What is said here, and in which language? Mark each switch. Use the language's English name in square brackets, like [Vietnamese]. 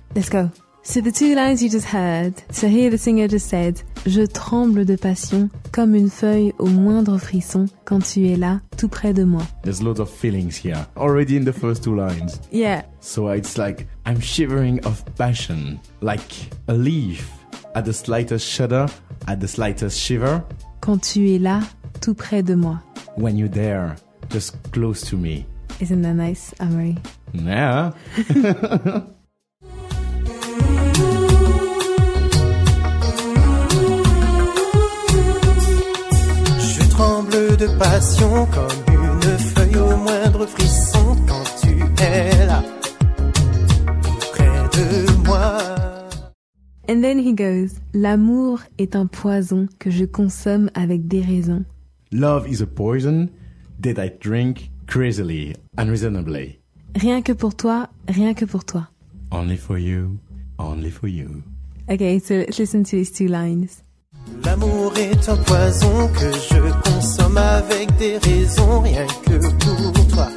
[English] Let's go. So the two lines you just heard. So here the singer just said, [French] je tremble de passion comme une feuille au moindre frisson quand tu es là tout près de moi. [English] There's loads of feelings here already in the first two lines. Yeah. So it's like I'm shivering of passion like a leaf at the slightest shudder, at the slightest shiver. [French] Quand tu es là tout près de moi. [English] When you're there, just close to me. Isn't that nice, Amaury? Yeah. [French] Tremble de passion comme une feuille au moindre frisson quand tu es là près de moi. [English] And then he goes, [French] l'amour est un poison que je consomme avec déraison. [English] Love is a poison that I drink crazily, unreasonably. [French] Rien que pour toi, rien que pour toi. [English] Only for you, only for you. Okay, so let's listen to these two lines. [French] L'amour est un poison que je consomme avec des raisons rien que pour toi.